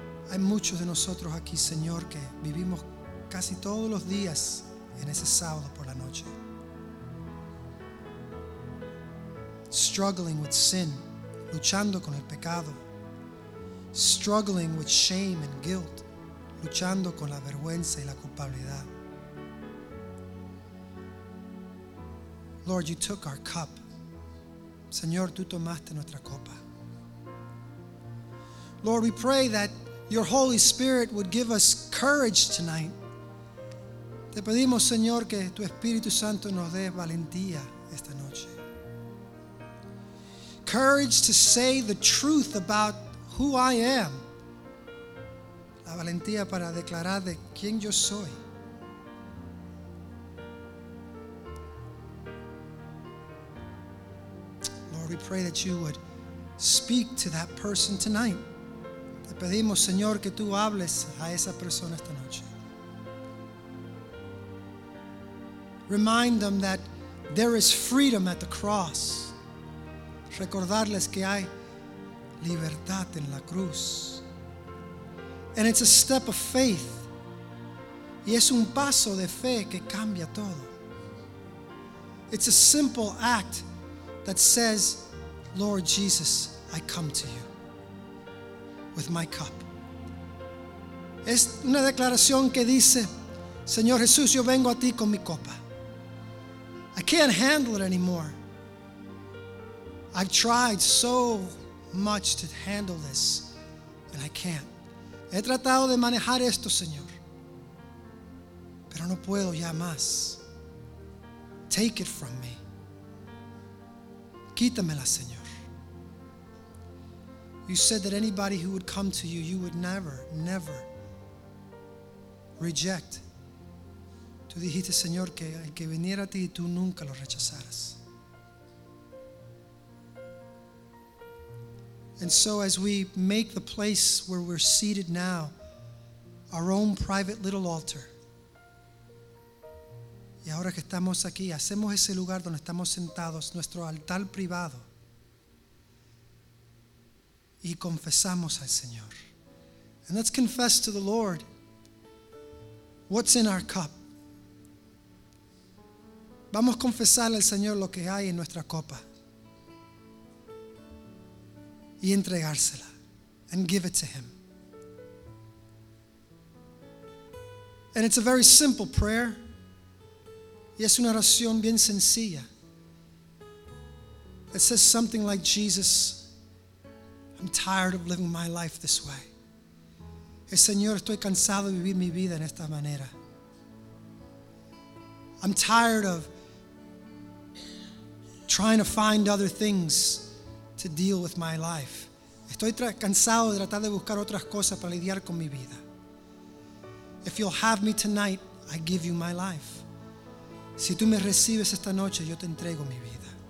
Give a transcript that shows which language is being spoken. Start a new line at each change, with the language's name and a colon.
Spanish: Hay muchos de nosotros aquí, Señor, que vivimos casi todos los días en ese sábado por la noche.
English: Struggling with sin,
Spanish: luchando con el pecado.
English: Struggling with shame and guilt,
Spanish: luchando con la vergüenza y la culpabilidad.
English: Lord, you took our cup.
Spanish: Señor, tú tomaste nuestra copa.
English: Lord, we pray that your Holy Spirit would give us courage tonight.
Spanish: Te pedimos, Señor, que tu Espíritu Santo nos dé valentía esta noche.
English: Courage to say the truth about who I am.
Spanish: La valentía para declarar de quién yo soy.
English: We pray that you would speak to that person tonight.
Spanish: Te pedimos, Señor, que tú hables a esa persona esta noche.
English: Remind them that there is freedom at the cross.
Spanish: Recordarles que hay libertad en la cruz.
English: And it's a step of faith.
Spanish: Y es un paso de fe que cambia todo.
English: It's a simple act that says, Lord Jesus, I come to you with my cup.
Spanish: Es una declaración que dice, Señor Jesús, yo vengo a ti con mi copa.
English: I can't handle it anymore. I've tried so much to handle this, and I can't.
Spanish: He tratado de manejar esto, Señor. Pero no puedo ya más.
English: Take it from me.
Spanish: Quítamela, Señor.
English: You said that anybody who would come to you, you would never, never reject.
Spanish: Tú dijiste, Señor, que el que viniera a ti, tú nunca lo rechazaras.
English: And so as we make the place where we're seated now, our own private little altar.
Spanish: Y ahora que estamos aquí, hacemos ese lugar donde estamos sentados, nuestro altar privado. Y confesamos al Señor.
English: And let's confess to the Lord what's in our cup.
Spanish: Vamos a confesarle al Señor lo que hay en nuestra copa. Y entregársela.
English: And give it to Him. And it's a very simple prayer.
Spanish: Y es una oración bien sencilla.
English: It says something like, Jesus, I'm tired of living my life this way.
Spanish: El Señor, estoy cansado de vivir mi vida en esta manera.
English: I'm tired of trying to find other things to deal with my life.
Spanish: Estoy cansado de tratar de buscar otras cosas para lidiar con mi vida.
English: If you'll have me tonight, I give you my life.
Spanish: Si tú me recibes esta noche, yo te entrego mi vida.